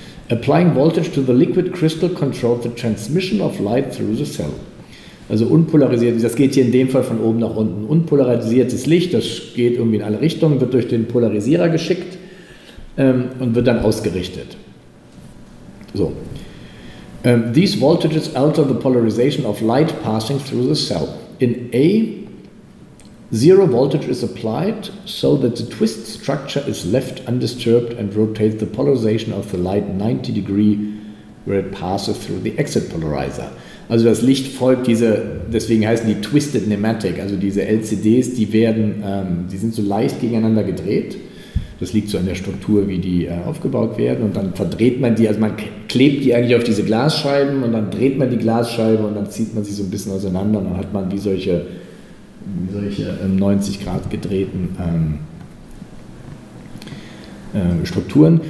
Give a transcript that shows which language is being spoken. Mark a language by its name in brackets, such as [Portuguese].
[English] Applying voltage to the liquid crystal controls the transmission of light through the cell. [German] Also unpolarisiert, das geht hier in dem Fall von oben nach unten. Unpolarisiertes Licht, das geht irgendwie in alle Richtungen, wird durch den Polarisierer geschickt und wird dann ausgerichtet. So. [English] These voltages alter the polarization of light passing through the cell. In A, zero voltage is applied so that the twist structure is left undisturbed and rotates the polarization of the light 90 degree where it passes through the exit polarizer. [German] Also das Licht folgt diese, deswegen heißen die Twisted Pneumatic, also diese LCDs, die werden, die sind so leicht gegeneinander gedreht. Das liegt so an der Struktur, wie die aufgebaut werden. Und dann verdreht man die, also man klebt die eigentlich auf diese Glasscheiben und dann dreht man die Glasscheibe und dann zieht man sie so ein bisschen auseinander und dann hat man wie solche 90 Grad gedrehten Strukturen.